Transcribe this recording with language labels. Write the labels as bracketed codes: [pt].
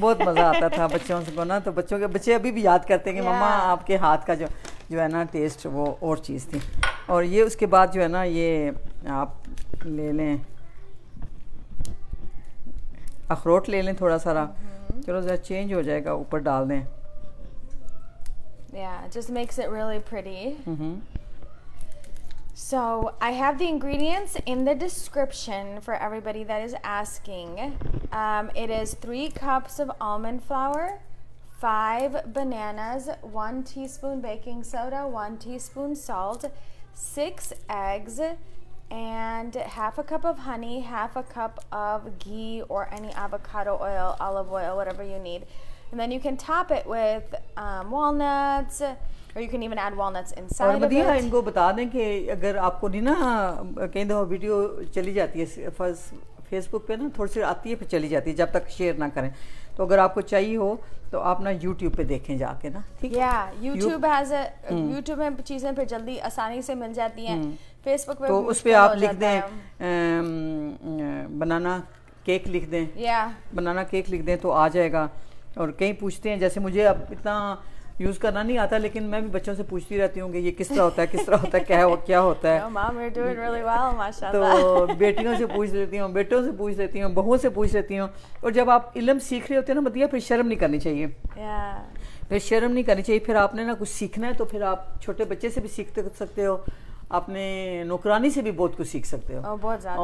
[hi] बहुत मजा आता था बच्चों को ना, तो बच्चों के बच्चे अभी भी याद करते हैं कि मम्मा आपके हाथ का जो है ना टेस्ट वो और चीज़ थी। और ये उसके बाद जो है ना, ये आप ले लें अखरोट ले लें थोड़ा सारा, चलो ज़रा चेंज हो जाएगा, ऊपर डाल दें। [en] Yeah, it just makes it really pretty. So I have the ingredients in the description for everybody that is asking. It is 3 cups of almond flour, 5 bananas, 1 teaspoon baking soda, 1 teaspoon salt, 6 eggs, and 1/2 cup of honey, 1/2 cup of ghee or any avocado oil, olive oil, whatever you need. And then you can top it with walnuts, or you can even add walnuts inside. [hi] और बढ़िया, इनको बता दें कि अगर आपको नहीं ना, कई दफ़ा वीडियो चली जाती है फेसबुक पे ना, थोड़ी सी आती है फिर चली जाती है जब तक शेयर ना करें, तो अगर आपको चाहिए हो तो आप ना YouTube पे देखें जाके ना, ठीक है? YouTube में चीज़ें फिर जल्दी आसानी से मिल जाती हैं, फेसबुक पे तो उस पर आप लिख दें बनाना केक लिख दें, बनाना केक लिख दें तो आ जाएगा। और कई पूछते हैं, जैसे मुझे अब इतना यूज़ करना नहीं आता लेकिन मैं भी बच्चों से पूछती रहती हूँ कि ये किस तरह होता है, किस तरह होता है, क्या होता है। [en] No, Mom, you're doing really well, माशाल्लाह। [hi] तो बेटियों से पूछ लेती हूँ, बेटों से पूछ लेती हूँ, बहुओं से पूछ लेती हूँ। और जब आप इल्म सीख रहे होते हैं ना बतिया, फिर शर्म नहीं करनी चाहिए। फिर शर्म नहीं करनी चाहिए, फिर आपने ना कुछ सीखना है तो फिर आप छोटे बच्चे से भी सीख सकते हो, अपने नौकरानी से भी बहुत कुछ सीख सकते हो। बहुत ज़्यादा।